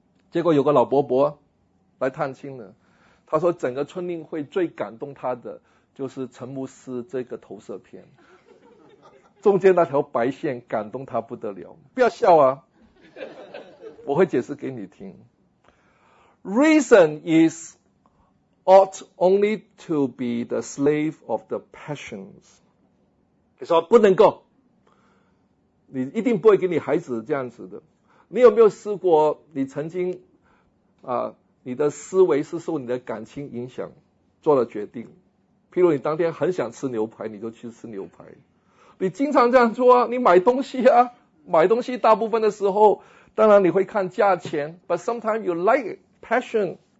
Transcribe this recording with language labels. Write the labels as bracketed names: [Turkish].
[Chinese] 结果有个老伯伯来探亲了，他说整个春令会最感动他的就是陈牧师这个投射片，中间那条白线感动他不得了。不要笑啊，我会解释给你听。 [English] Reason is ought only to be the slave of the passions。 [Chinese] 你说不能够，你一定不会给你孩子这样子的。你有没有试过你曾经你的思维是受你的感情影响做了决定，譬如你当天很想吃牛排你就去吃牛排，你经常这样做啊，你买东西啊，买东西大部分的时候当然你会看价钱， [English] but sometimes you like passion。